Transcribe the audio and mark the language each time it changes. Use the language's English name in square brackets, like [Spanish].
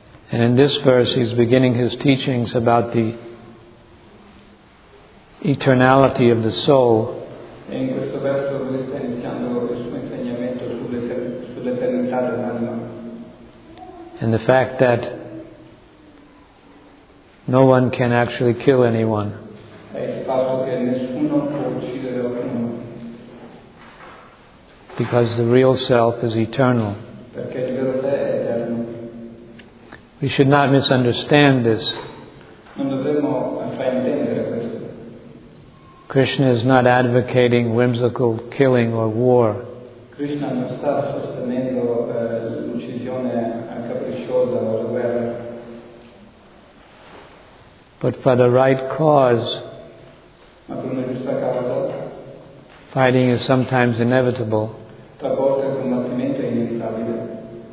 [English] And in this verse, he's beginning his teachings about the eternality of the soul. [Italian] In questo verso lui sta iniziando il suo insegnamento sull'eternità dell'anima. [English] And the fact that no one can actually kill anyone. [Italian] È il fatto che nessuno può uccidere qualcuno. [English] Because the real self is eternal. [Italian] Perché il vero sé. [English] We should not misunderstand this. [Italian] Non dovremmo far intendere questo. [English] Krishna is not advocating whimsical killing or war. [Italian] Krishna non sta sostenendo l'uccisione capricciosa o la guerra. [English] But for the right cause. [Italian] Ma per una giusta causa. [English] Fighting is sometimes inevitable. [Italian] Talvolta il combattimento è inevitabile.